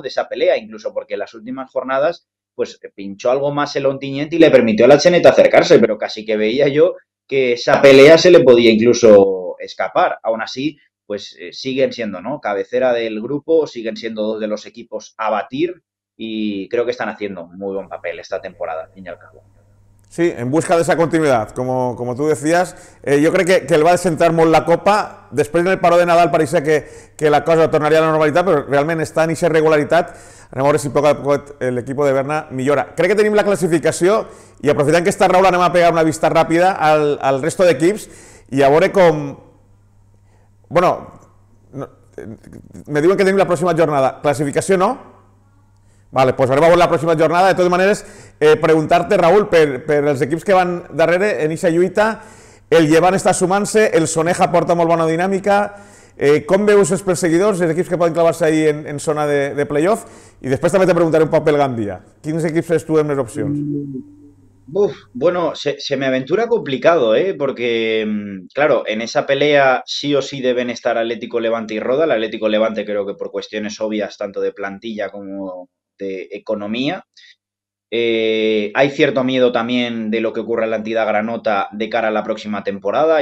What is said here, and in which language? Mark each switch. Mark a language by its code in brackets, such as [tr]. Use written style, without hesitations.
[es] De esa pelea, incluso porque en las últimas jornadas, pues pinchó algo más el Ontinyent y le permitió al Acheneta acercarse, pero casi que veía yo que esa pelea se le podía incluso escapar. Aún así, pues siguen siendo, ¿no? Cabecera del grupo, siguen siendo dos de los equipos a batir y creo que están haciendo un muy buen papel esta temporada, al fin y al cabo. Sí, en busca de esa continuidad, como tú decías. Yo creo que el va a desentrar molt la Copa. [ca] Després del paró de Nadal pareixia que la cosa tornaria a la normalitat, però realment està en aquesta regularitat. Anem a veure si a poc a poc l'equip de Berna millora. Crec que tenim la classificació i aprofitant que està Raúl anem a pegar una vista ràpida al resto d'equips i a veure com... Bueno, no, me diuen que tenim la pròxima jornada. Classificació no? Vale, pues ahora vamos a la próxima jornada. De todas maneras, preguntarte, Raúl, per els equips que van darrere en eixa lluita, el Llevant està sumant-se, el Soneja porta molt bona dinàmica, com veus els perseguidors, els equips que poden clavar-se ahí en zona de playoff? I després també te preguntaré un poc pel Gandia. Quins equips tens tu amb les opcions? [es] Uf, bueno, se me aventura complicado, porque claro, en esa pelea sí o sí deben estar Atlético Levante y Roda. El Atlético Levante creo que por cuestiones obvias, tanto de plantilla como de economía. Hay cierto miedo también de lo que ocurra en la entidad granota de cara a la próxima temporada.